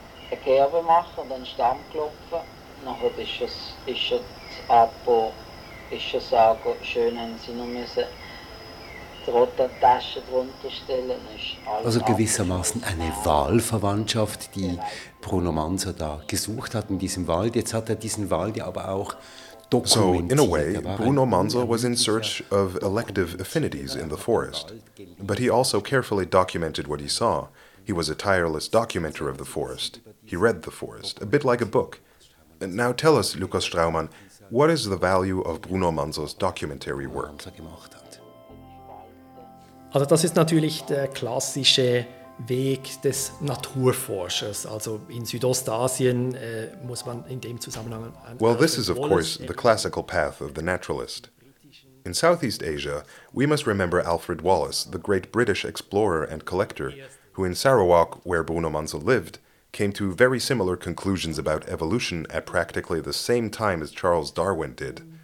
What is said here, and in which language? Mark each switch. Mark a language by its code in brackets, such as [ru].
[de] eine Kerbe machen und einen Stamm klopfen. Nachher ist es schön, haben sie noch müssen die roten Taschen drunter stellen. Also gewissermaßen eine Wahlverwandtschaft, die Bruno Mansa da gesucht hat in diesem Wald. Jetzt hat er diesen Wald ja aber auch. [en] So, in a way, Bruno Mansa was in search of elective affinities in the forest. But he also carefully documented what he saw. He was a tireless documenter of the forest. He read the forest, a bit like a book. Now tell us, Lukas Straumann, what is the value of Bruno Mansa's documentary work? [de] Also das ist natürlich der klassische Weg des Naturforschers. Also in Südostasien muss man in dem Zusammenhang. [en] Well, this is of course the classical path of the naturalist. In Southeast Asia, we must remember Alfred Wallace, the great British explorer and collector, who in Sarawak, where Bruno Mansa lived, came to very similar conclusions about evolution at practically the same time as Charles Darwin did.